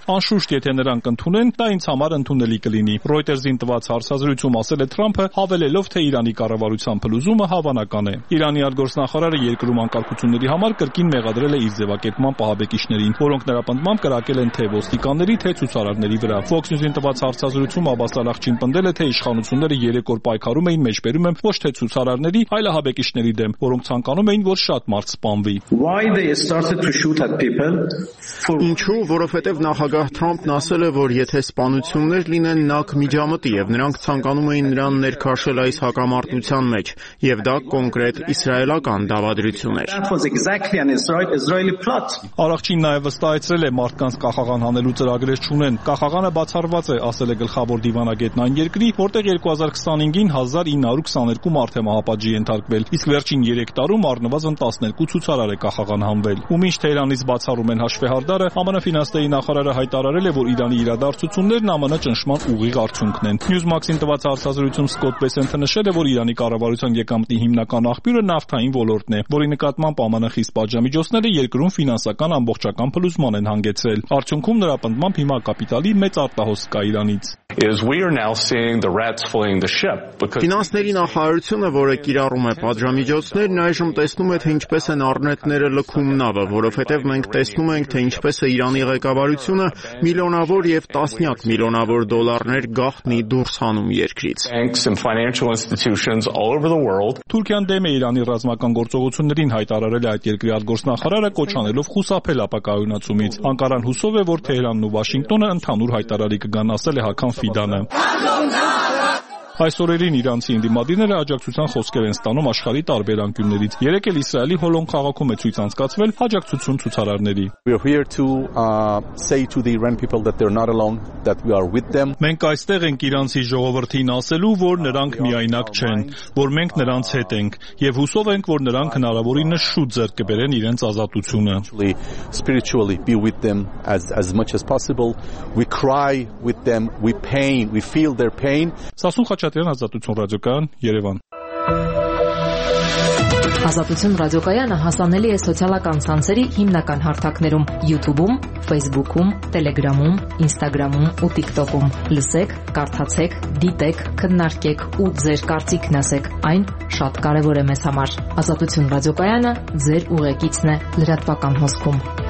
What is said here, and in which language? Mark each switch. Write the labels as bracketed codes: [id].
[hy] անշուշտ եթե նրան կընդունեն, դա ինձ համար ընդունելի կլինի։ Ռոյտերզին տված հարցազրույցում ասել է Թրամփը, հավելելով, թե Իրանի կառավարության փլուզումը հավանական է։ Իրանի արտգործնախարարը երկրում անկարգությունների համար կրկին մեղադրել է իր ձևակերպման պահաբեկիչներին, որոնք նրա պնդմամբ կրակել են թե ոստիկանների թե ցուցարարների վրա։ Fox News-ին տված հարցազրույցում Աբասլան աղջին պնդել է, թե իշխանությունները երեք օր պայքարում էին մեջբերում են ոչ թե ցուցարարների, այլ հաբեկիչների դեմ, որոնք ցանկանում էին, որ շատ մարդ սպանվի։ [en] Why they started to shoot at people? [hy] Ինչու, որովհետև նախագահ Թրամփն ասել է, որ եթե սպանություններ լինեն, նաք միջամտի եւ նրանք ցանկանում էին նրան ներքաշել այս հակամարտության մեջ, եւ դա կոնկրետ իսրայելական դավադրություն էր։ Առաջին նաև վստահեցրել է մարդկանց կախաղան հանելու ծրագրեր չունեն։ Կախաղանը բացառված է, ասել է գլխավոր դիվանագետն այն երկրի, որտեղ 2025-ին 1922 մարդ է մահապատժի ենթարկվել, իսկ վերջին 3 տարում առնվազն 12 ցուցարար է կախաղան հանվել։ Ու մինչ Թեհրանից բացառում են հաշվեհարդարը, ԱՄՆ ֆինանսների նախարարը հայտարարել է, որ Իրանի իրադարձություններն ԱՄՆ ճնշման ուղիղ արդյունքն են։ Newsmax-ին տված հարցազրույցում Սկոտ Բեսենթը նշել է, որ Իրանի կառավարության եկամտի հիմնական աղբյուրը նավթային ոլորտն է, որի նկատմամբ ԱՄՆ խիստ պատժամիջոցները երկրում ֆինանսական ամբողջական փլուզման են հանգեցրել։ Արդյունքում նրա պնդմամբ հիմա կապիտալի մեծ արտահոս կա Իրանից։ [en] Is we are now seeing the rats fleeing the ship because [hy] ֆինանսների նախարարությունը, որը կիրառում է պատժամիջոցներն, այժմ տեսնում է, թե ինչպես են առնետները լքում նավը, որովհետև մենք տեսնում ենք, թե ինչպես է Իրանի ղեկավարությունը միլիոնավոր եւ տասնյակ միլիոնավոր դոլարներ գաղտնի դուրս հանում երկրից։ Թուրքիան դեմ է Իրանի ռազմական գործողություններին, հայտարարել է այդ երկրի արտգործնախարարը, կոչանելով խուսափել ապակայունացումից։ Անկարան հուսով է, որ Թեհրանն ու Վաշինգտոնը ընդհանուր հայտարարի կգան, ասել է հակամ Ֆիդանը։ Այսօրերին Իրանցի ինդիմադիրները աջակցության խոսքեր են ստանում աշխարհի տարբեր անկյուններից։ Երեկ էլ Իսրայելի Հոլոն քաղաքում է ցույց անցկացվել աջակցություն ցուցարարների։ [en] We are here to say to the Iran people that they're not alone, that we are with them։ [hy] Մենք այստեղ ենք Իրանցի ժողովրդին ասելու, որ նրանք միայնակ չեն, որ մենք նրանց հետ ենք, եւ հուսով ենք, որ նրանք հնարավորինս շուտ ձեռք կբերեն իրենց ազատությունը։ [en] Spiritually be with them as much as possible. We cry with them, we pain, we feel their pain. [hy] Հաճատյան ազատություն ռադիոկայան Երևան։ Ազատություն ռադիոկայանը հասանելի է սոցիալական ցանցերի հիմնական հարթակներում՝ YouTube-ում, Facebook-ում, Telegram-ում, Instagram-ում ու TikTok-ում։ Լսեք, կարդացեք, դիտեք, քննարկեք ու ձեր կարծիքն ասեք։ Այն շատ կարևոր է մեզ համար։ Ազատություն ռադիոկայանը ձեր ուղեկիցն է լրատվական հոսքում։